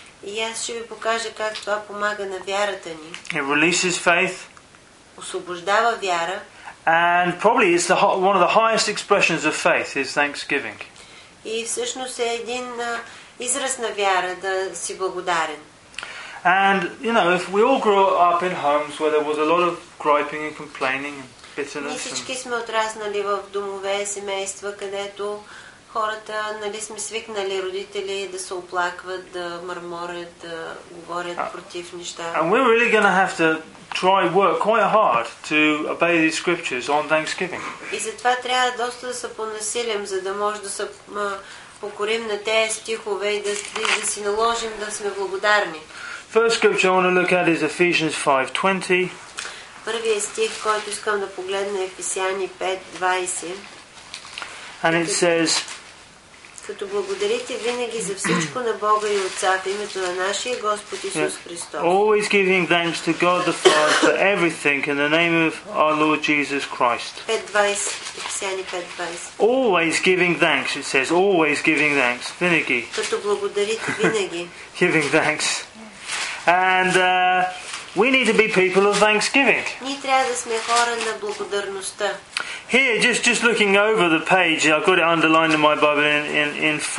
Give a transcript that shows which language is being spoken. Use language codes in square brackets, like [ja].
[bg] И аз ще ви покажа как това помага на вярата ни. [en] It releases faith. [bg] Освобождава вяра. [en] And probably it's one of the highest expressions of faith is thanksgiving. [bg] И всъщност е един израз на вяра да си благодарен. [en] And you know, if we all grew up in homes where there was a лот of griping and complaining and bitterness. [bg] Ние всички сме отраснали в домове, семейства, където хората, нали, сме свикнали родители да се оплакват, да мърморят, да говорят против неща. [en] And we're really going to have to try work quite hard to obey these scriptures on Thanksgiving. [bg] И затова трябва доста да се понасилим, за да може да се покорим на тези стихове и да си наложим да сме благодарни. [en] First scripture I want to look at is Ephesians 5:20. [bg] Първият стих, който искам да погледна, е Ефесяни 5:20. [en] And it says, [bg] като благодарите винаги за всичко на Бога и Отца в името на нашия Господ Исус Христос. [en] Always giving thanks to God the Father for everything in the name of our Lord Jesus Christ. 5:20. Always giving thanks, it says, always giving thanks. [bg] Винаги. Като благодарите винаги. [en] Giving thanks. And we need to be people of thanksgiving. [bg] Ние трябва да сме хора на благодарността. [en] Here, just looking over the page, I've got it underlined in my Bible in